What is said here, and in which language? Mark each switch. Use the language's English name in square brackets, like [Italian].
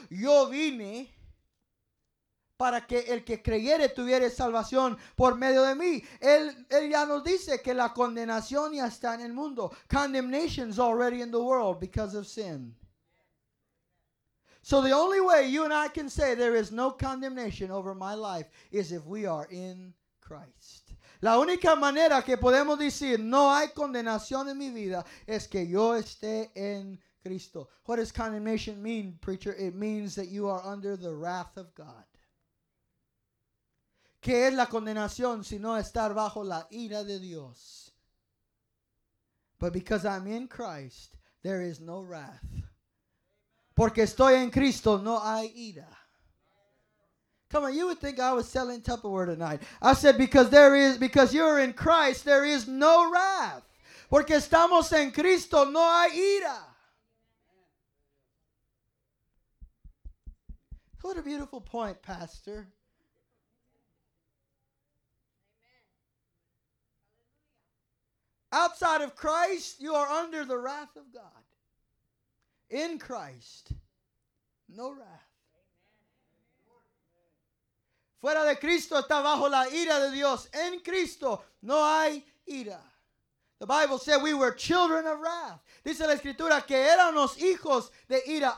[Spanish] Yo vine para que el que creyere tuviera salvación por medio de mí. Él ya nos dice que la condenación ya está en el mundo. [English] Condemnation is already in the world because of sin. So the only way you and I can say there is no condemnation over my life is if we are in Christ. [Spanish] La única manera que podemos decir no hay condenación en mi vida es que yo esté en Cristo. [English] What does condemnation mean, preacher? It means that you are under the wrath of God. [Spanish] ¿Qué es la condenación sino estar bajo la ira de Dios? [English] But because I'm in Christ, there is no wrath. [Spanish] Porque estoy en Cristo, no hay ira. [English] Come on, you would think I was selling Tupperware tonight. I said, because you're in Christ, there is no wrath. [Spanish] Porque estamos en Cristo, no hay ira. [English] What a beautiful point, Pastor. Outside of Christ, you are under the wrath of God. In Christ, no wrath. [Spanish] Fuera de Cristo está bajo la ira de Dios. En Cristo, no hay ira. [English] The Bible said we were children of wrath. [Spanish] Dice la Escritura que éramos hijos de ira.